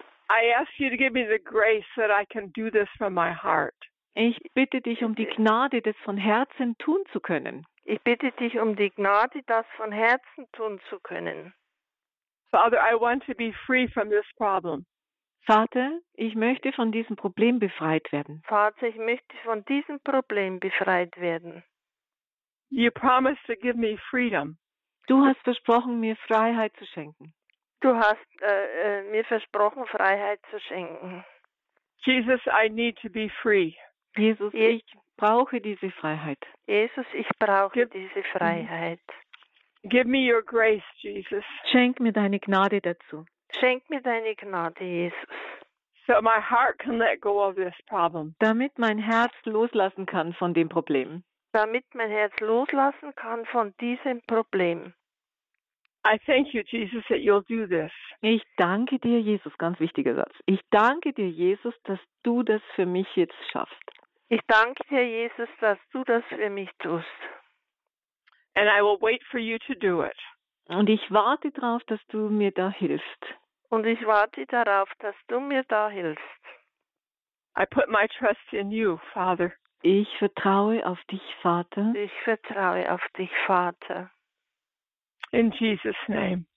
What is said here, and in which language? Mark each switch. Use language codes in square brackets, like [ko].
[en] I ask you to give me the grace that I can do this from my heart. [de] Ich bitte dich um die Gnade, das von Herzen tun zu können. Ich bitte dich um die Gnade, das von Herzen tun zu können. [en] Father, I want to be free from this problem. [de] Vater, ich möchte von diesem Problem befreit werden. Vater, ich möchte von diesem Problem befreit werden. [en] You promised to give me freedom. [de] Du hast versprochen, mir Freiheit zu schenken. Du hast mir versprochen, Freiheit zu schenken. [en] Jesus, I need to be free. [de] Jesus, ich brauche diese Freiheit. Jesus, ich brauche diese Freiheit. [en] Give me your grace, Jesus. [de] Schenk mir deine Gnade dazu. Schenk mir deine Gnade, Jesus. [en] So my heart can let go of this problem. [de] Damit mein Herz loslassen kann von dem Problem. Damit mein Herz loslassen kann von diesem Problem. [en] I thank you, Jesus, that you'll do this. [de] Ich danke dir, Jesus, ganz wichtiger Satz. Ich danke dir, Jesus, dass du das für mich jetzt schaffst. Ich danke dir, Jesus, dass du das für mich tust. [en] And I will wait for you to do it. [de] Und ich warte darauf, dass du mir da hilfst. Und ich warte darauf, dass du mir da hilfst. [en] I put my trust in you, Father. [de] Ich vertraue auf dich, Vater. Ich vertraue auf dich, Vater. [en] In Jesus' name.